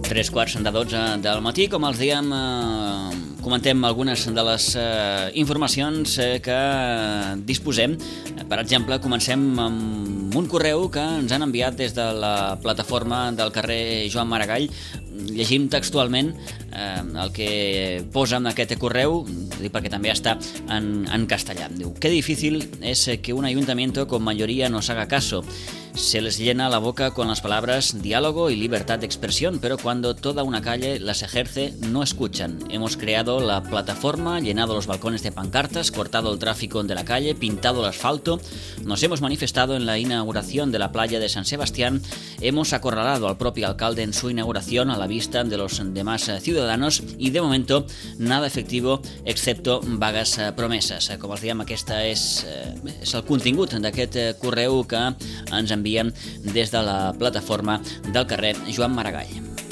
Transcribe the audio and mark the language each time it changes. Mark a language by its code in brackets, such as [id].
[ca] Quarts de 12 del matí, com els dèiem, comentem algunes de les informacions que disposem. Per exemple, comencem amb un correu que ens han enviat des de la plataforma del carrer Joan Maragall. Llegim textualment el que posa en aquest correu, perquè també està en castellà. Diu: [es] "Qué difícil es que un ayuntamiento con mayoría nos haga caso. Se les llena la boca con las palabras diálogo y libertad de expresión, pero cuando toda una calle las ejerce, no escuchan. Hemos creado la plataforma, llenado los balcones de pancartas, cortado el tráfico de la calle, pintado el asfalto, nos hemos manifestado en la inauguración de la playa de San Sebastián, hemos acorralado al propio alcalde en su inauguración a la vista de los demás ciudadanos y de momento nada efectivo excepto vagas promesas". [ca] Com els dèiem, aquesta és el contingut d'aquest correu que ens envien des de la plataforma del carrer Joan Maragall.